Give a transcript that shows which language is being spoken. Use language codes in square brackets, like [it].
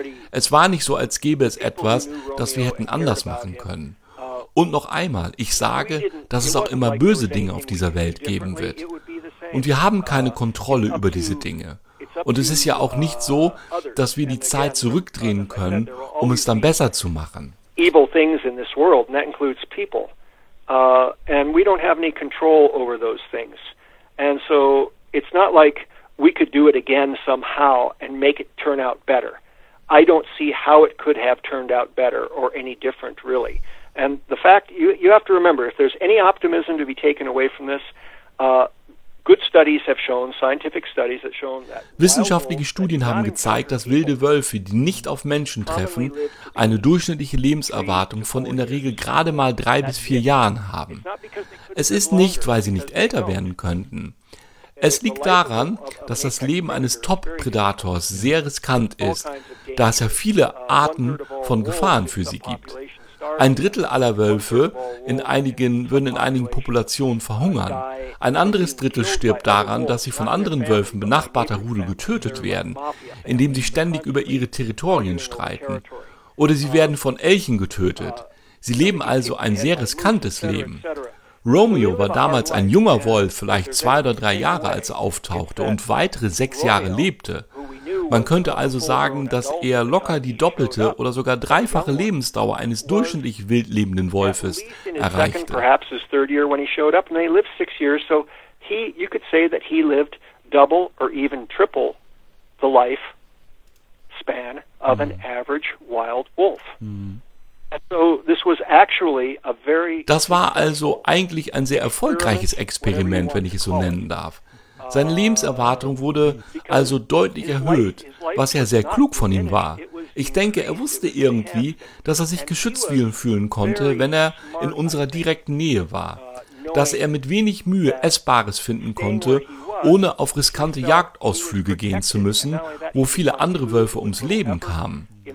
[de] Es war nicht so, als gäbe es etwas, das wir hätten anders machen können. Und noch einmal, ich sage, dass es auch immer böse Dinge auf dieser Welt geben wird. Und wir haben keine Kontrolle über diese Dinge. Und es ist ja auch nicht so, dass wir die Zeit zurückdrehen können, um es dann besser zu machen. [en] Evil things in this world, and that includes people. And we don't have any control over those things. And so it's not like we could do it again somehow and make it turn out better. I don't see how it could have turned out better or any different, really. And the fact, you have to remember, if there's any optimism to be taken away from this, good studies have shown, scientific studies have shown that... [de] Wissenschaftliche Studien haben gezeigt, dass wilde Wölfe, die nicht auf Menschen treffen, eine durchschnittliche Lebenserwartung von in der Regel gerade mal 3 bis 4 Jahren haben. Es ist nicht, weil sie nicht älter werden könnten. Es liegt daran, dass das Leben eines Top-Predators sehr riskant ist, da es ja viele Arten von Gefahren für sie gibt. Ein Drittel aller Wölfe würden in einigen Populationen verhungern. Ein anderes Drittel stirbt daran, dass sie von anderen Wölfen benachbarter Rudel getötet werden, indem sie ständig über ihre Territorien streiten. Oder sie werden von Elchen getötet. Sie leben also ein sehr riskantes Leben. Romeo war damals ein junger Wolf, vielleicht 2 oder 3 Jahre, als er auftauchte und weitere 6 Jahre lebte. Man könnte also sagen, dass er locker die doppelte oder sogar dreifache Lebensdauer eines durchschnittlich wild lebenden Wolfes erreichte. [en] Perhaps his third year when he showed up, and they lived 6 years, so he, you could say that he lived double or even triple the life span of an average wild wolf. [de] Das war also eigentlich ein sehr erfolgreiches Experiment, wenn ich es so nennen darf. Seine Lebenserwartung wurde also deutlich erhöht, was ja sehr klug von ihm war. Ich denke, er wusste irgendwie, dass er sich geschützt fühlen konnte, wenn er in unserer direkten Nähe war, dass er mit wenig Mühe Essbares finden konnte, ohne auf riskante Jagdausflüge gehen zu müssen, wo viele andere Wölfe ums Leben kamen.